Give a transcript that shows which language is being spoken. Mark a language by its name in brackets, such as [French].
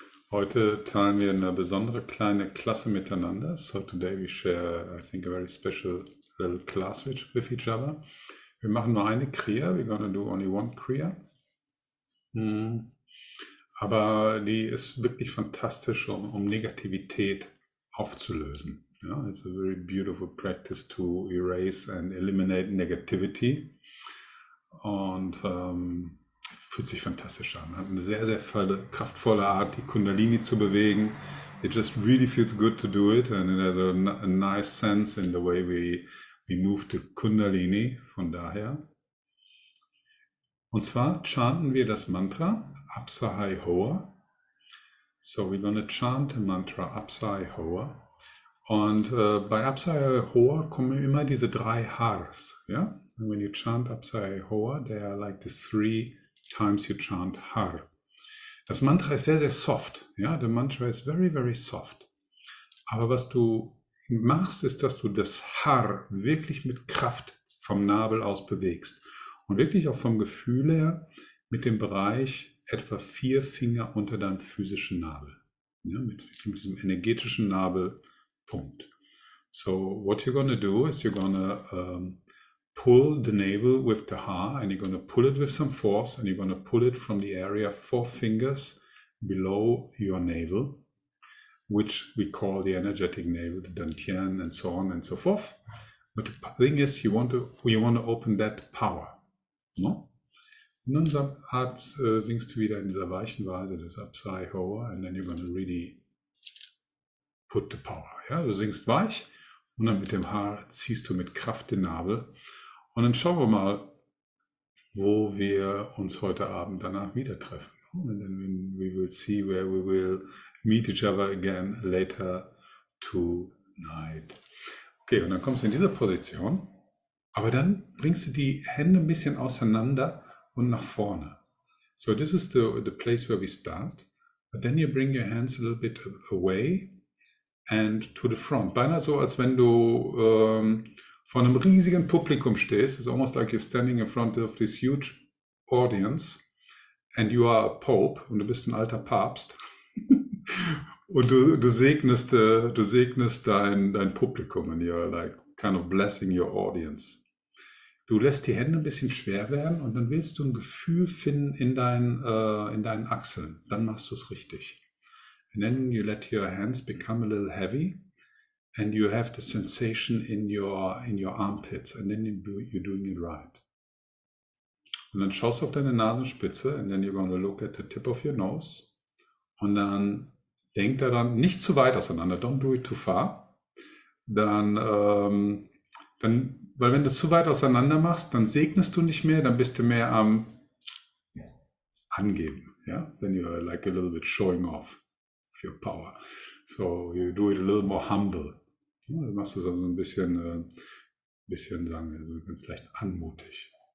[German] Heute teilen wir eine besondere kleine Klasse miteinander. [English] So today we share, I think, a very special little class with each other. [German] Wir machen nur eine Kriya. [English] We're gonna do only one Kriya. [German] Aber die ist wirklich fantastisch, um Negativität aufzulösen. [English] Ja, it's a very beautiful practice to erase and eliminate negativity. [German] Und fühlt sich fantastisch an. Hat eine sehr, sehr volle, kraftvolle Art, die Kundalini zu bewegen. [English] It just really feels good to do it. And it has a nice sense in the way we move the Kundalini, [German] von daher. Und zwar chanten wir das Mantra Apsahai Hoa. [English] So we're gonna chant the Mantra Apsahai Hoa. [German] Und bei Apsahai Hoa kommen immer diese drei Hars, ja? [English] And when you chant Apsahai Hoa, they are like the three times you chant Har. [German] Das Mantra ist sehr, sehr soft. [English] Ja, the mantra is very, very soft. [German] Aber was du machst, ist, dass du das Har wirklich mit Kraft vom Nabel aus bewegst. Und wirklich auch vom Gefühl her mit dem Bereich etwa vier Finger unter deinem physischen Nabel. Ja, mit diesem energetischen Nabelpunkt. [English] So what you're gonna do is you're gonna pull the navel with the ha, and you're going to pull it with some force, and you're going to pull it from the area four fingers below your navel, which we call the energetic navel, the dantian, and so on and so forth. But the thing is, you want to open that power, no? [German] Und dann singst du wieder in dieser weichen Weise, das Apsahai Hoa, [English] and then you're going to really put the power. [German] Ja, du singst weich, und dann mit dem ha ziehst du mit Kraft den Nabel. Und dann schauen wir mal, wo wir uns heute Abend danach wieder treffen. [English] And then we will see where we will meet each other again later tonight. [German] Okay, und dann kommst du in diese Position. Aber dann bringst du die Hände ein bisschen auseinander und nach vorne. [English] So this is the place where we start. But then you bring your hands a little bit away and to the front. [German] Beinahe so, als wenn du vor einem riesigen Publikum stehst, [English] it's almost like you're standing in front of this huge audience and you are a pope, [German] und du bist ein alter Papst und du segnest dein Publikum, [English] and you're like kind of blessing your audience. [German] Du lässt die Hände ein bisschen schwer werden und dann willst du ein Gefühl finden in deinen Achseln. Dann machst du es richtig. [English] And then you let your hands become a little heavy. And you have the sensation in your armpits, and then you're doing it right. [German] Und dann schaust du auf deine Nasenspitze, [English] and then you're going to look at the tip of your nose. [German] Und dann denk daran, nicht zu weit auseinander, [English] don't do it too far. [German] Dann, weil wenn du es zu weit auseinander machst, dann segnest du nicht mehr, dann bist du mehr am angeben. [English] Yeah, then you're like a little bit showing off your power. So you do it a little more humble. [German] Ja, du machst es also ein bisschen, sagen wir, ganz leicht anmutig.